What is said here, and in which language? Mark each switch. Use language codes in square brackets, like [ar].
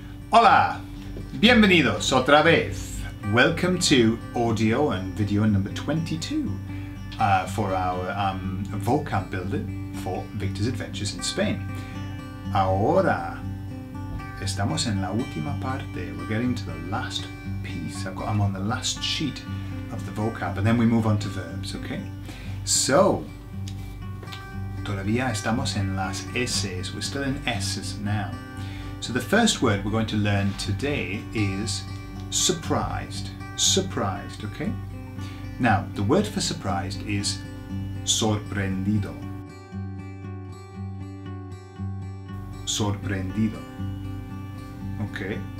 [es] Hola, bienvenidos otra vez. [en] Welcome to audio and video number 22 for our vocab builder for Victor's Adventures in Spain. [es] Ahora, estamos en la última parte. [en] We're getting to the last piece. I'm on the last sheet of the vocab, and then we move on to verbs, okay? [es] So, todavía estamos en las S's. [en] We're still in S's now. So the first word we're going to learn today is surprised. Surprised, okay? Now, the word for surprised is sorprendido. [es] Sorprendido. Okay?